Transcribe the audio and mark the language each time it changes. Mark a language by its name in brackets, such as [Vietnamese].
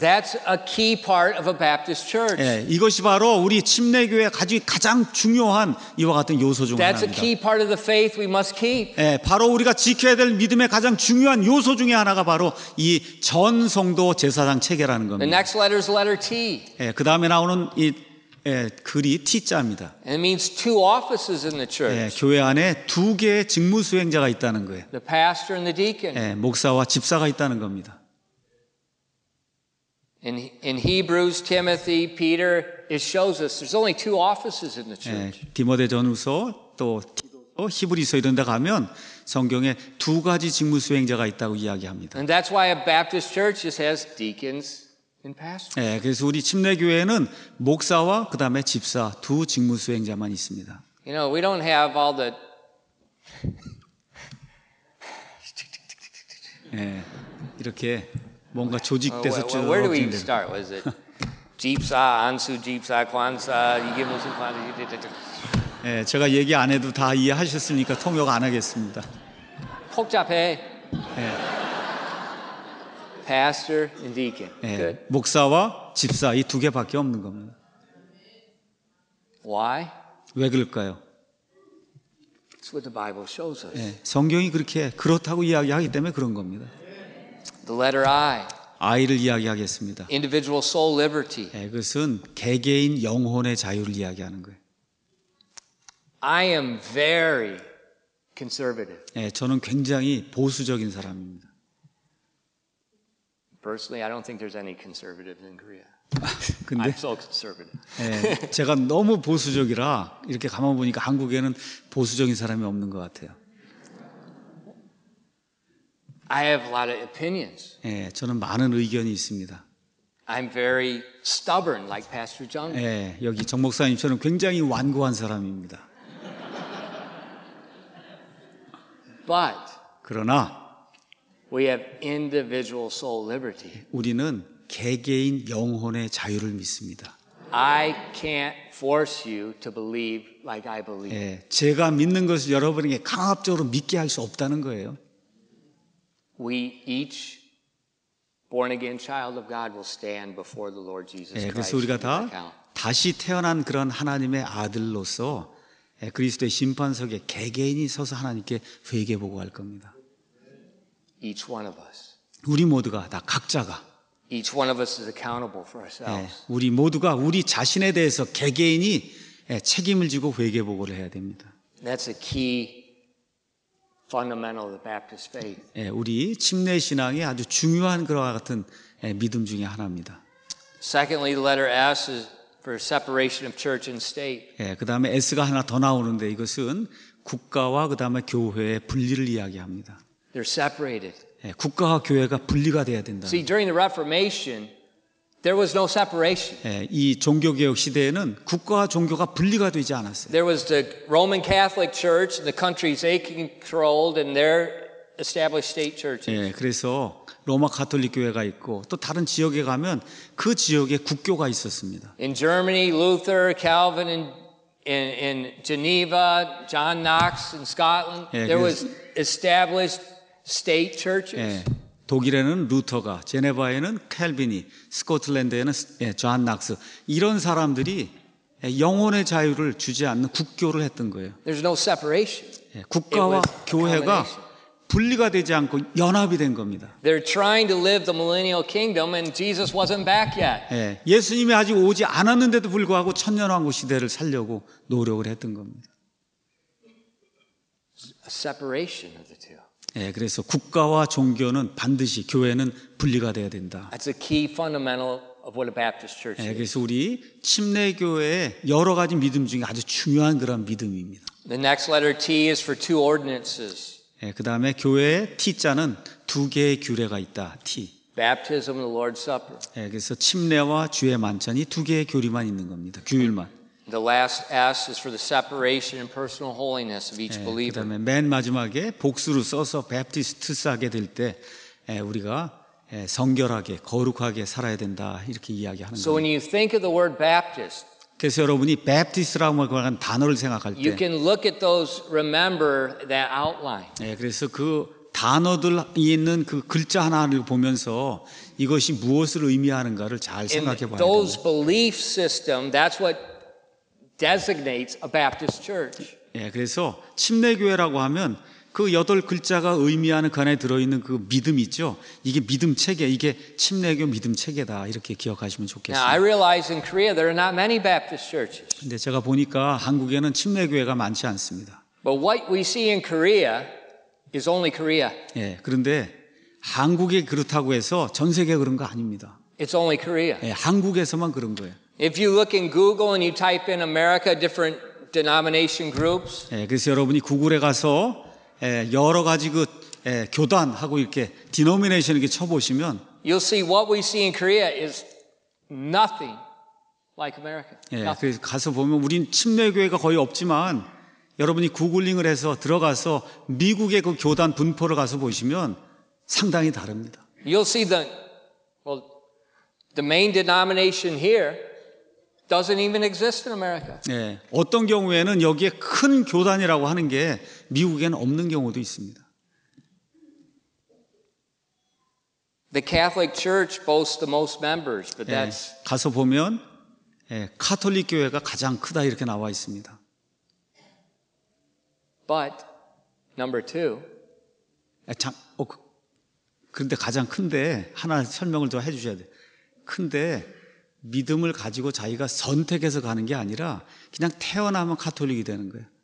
[English] That's a key part of a Baptist church. [Korean] 예, 이것이 바로 우리 침례교회 가장 중요한 이와 같은 요소 중 [English] That's [Korean] 하나입니다. [English] That's a key part of the faith we must keep. [Korean] 예, 바로 우리가 지켜야 될 믿음의 가장 중요한 요소 중에 하나가 바로 이 전성도 제사장 체계라는 겁니다. [English] The next letter is letter T. [Korean] 예, 그 다음에 나오는 이 예, 글이 T자입니다. [English] It means two offices in the church. [Korean] 예, 교회 안에 두 개의 직무 수행자가 있다는 거예요. [English] The pastor and the deacon. [Korean] 예, 목사와 집사가 있다는 겁니다. [English] In Hebrews, Timothy, Peter, it shows us there's only two offices in the church. [Korean] 네, 디모데전서 또 기도서 히브리서 이런 데 가면 성경에 두 가지 직무 수행자가 있다고 이야기합니다. [English] And that's why a Baptist church just has deacons and pastors. [Korean] 네, 그래서 우리 침례 교회는 목사와 그다음에 집사 두 직무 수행자만 있습니다. [English] You know, we don't have all the [Korean] 예, 네, 이렇게 뭔가 조직돼서 쭉. [English] Where do we even start? Was it Jeepsa, Ansu Jeepsa, Kwansa, Yigimusu Kwansa? [Korean] 예, 제가 얘기 안 해도 다 이해하셨으니까 통역 안 하겠습니다. 복잡해. 예. 네. [English] Pastor and deacon. [Korean] 네, 목사와 집사 이 두 개밖에 없는 겁니다. [English] Why? [Korean] 왜 그럴까요? [English] That's what the Bible shows us. [Korean] 네, 성경이 그렇게 그렇다고 이야기하기 때문에 그런 겁니다. [English] The letter I. [Korean] I를 이야기하겠습니다. [English] Individual soul liberty. [Korean] 네, 그것은 개개인 영혼의 자유를 이야기하는 거예요. [English] I am very conservative. [Korean] 네, 저는 굉장히 보수적인 사람입니다. [English] Personally, I don't think there's any conservatives in Korea. [Korean] 근데, [English] I'm so conservative. [Korean] 네, 제가 너무 보수적이라 이렇게 가만 보니까 한국에는 보수적인 사람이 없는 것 같아요. [English] I have a lot of opinions. [Korean] 네, 저는 많은 의견이 있습니다. [English] I'm very stubborn, like Pastor John. [Korean] 네, 여기 정 목사님처럼 굉장히 완고한 사람입니다. [English] But [Korean] 그러나 [English] we have individual soul liberty. [Korean] 우리는 개개인 영혼의 자유를 믿습니다. [English] I can't force you to believe like I believe. [Korean] 예, 제가 믿는 것을 여러분에게 강압적으로 믿게 할 수 없다는 거예요. [English] We each born again child of God will stand before the Lord Jesus Christ. [Korean] 예, 그래서 우리가 다 다시 태어난 그런 하나님의 아들로서 예, 그리스도의 심판석에 개개인이 서서 하나님께 회개 보고할 겁니다. [English] Each one of us. [Korean] 우리 모두가 다 각자가 [English] Each one of us is accountable for ourselves. [Korean] 네, 우리 모두가 우리 자신에 대해서 개개인이 책임을 지고 회개 보고를 해야 됩니다. [English] That's a key fundamental of the Baptist faith. [Korean] 네, 우리 침례 신앙의 아주 중요한 그와 같은 믿음 중에 하나입니다. [English] Secondly, the letter S is for separation of church and state. [Korean] 네, 그 다음에 S가 하나 더 나오는데 이것은 국가와 그 다음에 교회의 분리를 이야기합니다. [English] They're separated. [Korean] 예, 국가와 교회가 분리가 돼야 된다. [English] See, during the Reformation, there was no separation. [Korean] 예, 이 종교개혁 시대에는 국가와 종교가 분리가 되지 않았어요. [English] There was the Roman Catholic Church, the countries they controlled, and their established state churches. [Korean] 예, 그래서 로마 가톨릭 교회가 있고 또 다른 지역에 가면 그 지역의 국교가 있었습니다. [English] In Germany, Luther, Calvin, in Geneva, John Knox in Scotland, there was established State churches. [Korean] 예, 독일에는 루터가, 제네바에는 켈빈이, 스코틀랜드에는 존 낙스 이런 사람들이 영혼의 자유를 주지 않는 국교를 했던 거예요. [English] There's no separation. [Korean] 예, 국가와 교회가 분리가 되지 않고 연합이 된 겁니다. [English] They're trying to live the millennial kingdom, and Jesus wasn't back yet. [Korean] 예, 예수님이 아직 오지 않았는데도 불구하고 천년왕국 시대를 살려고 노력을 했던 겁니다. [English] A separation of the two. [Korean] 예, 그래서 국가와 종교는 반드시 교회는 분리가 돼야 된다. [English] That's a key fundamental of what a Baptist church is. [Korean] 예, 그래서 우리 침례교회의 여러 가지 믿음 중에 아주 중요한 그런 믿음입니다. [English] The next letter T is for two ordinances. [Korean] 예, 그다음에 교회의 T자는 두 개의 규례가 있다. [English] T. Baptism and the Lord's Supper. [Korean] 예, 그래서 침례와 주의 만찬이 두 개의 교리만 있는 겁니다. 규율만. [English] The last S is for the separation and personal holiness of each believer. [Korean] 그 다음에 맨 마지막에 복수로 써서 베프티스트스하게 될 때 우리가 성결하게 거룩하게 살아야 된다 이렇게 이야기하는 거예요. [English] So when you think of the word Baptist, [Korean] 그래서 여러분이 Baptist라고 하는 단어를 생각할 때 [English] you can look at those, remember that outline. [Korean] 네, 그래서 그 단어들 있는 그 글자 하나를 보면서 이것이 무엇을 의미하는가를 잘 생각해 봐야 돼요. [English] Those belief system, that's what designates a Baptist church. [Korean] 예, 그래서 침례교회라고 하면 그 여덟 글자가 의미하는 그 안에 들어 있는 그 믿음 있죠. 이게 믿음 체계, 이게 침례교 믿음 체계다. 이렇게 기억하시면 좋겠어요. [English] Now, I realize in Korea there are not many Baptist churches. [Korean] 근데 제가 보니까 한국에는 침례교회가 많지 않습니다. [English] But what we see in Korea is only Korea. [Korean] 예, 그런데 한국이 그렇다고 해서 전 세계 그런 거 아닙니다. [English] It's only Korea. [Korean] 예, 한국에서만 그런 거예요. [English] If you look in Google and you type in America different denomination groups. [Korean] 예, 그래서 여러분이 구글에 가서 예, 여러 가지 그 예, 교단하고 이렇게 denomination 이렇게 쳐 보시면 [English] you'll see what we see in Korea is nothing like America. [Korean] 예, 그래서 가서 보면 우린 침례교회가 거의 없지만 여러분이 구글링을 해서 들어가서 미국의 그 교단 분포를 가서 보시면 상당히 다릅니다. [English] You'll see the well the main denomination here doesn't even exist in America. [Korean] 예. 어떤 경우에는 여기에 큰 교단이라고 하는 게 미국에는 없는 경우도 있습니다. [English] The Catholic Church boasts the most members, but that's [Korean] 예, 가서 보면 예, 가톨릭 교회가 가장 크다 이렇게 나와 있습니다. [English] But number two. [Korean] 예, 참, 어, 그런데 가장 큰데 하나 설명을 더 해 주셔야 돼. 큰데 믿음을 가지고 자기가 선택해서 가는 게 아니라 그냥 태어나면 가톨릭이 되는 거예요.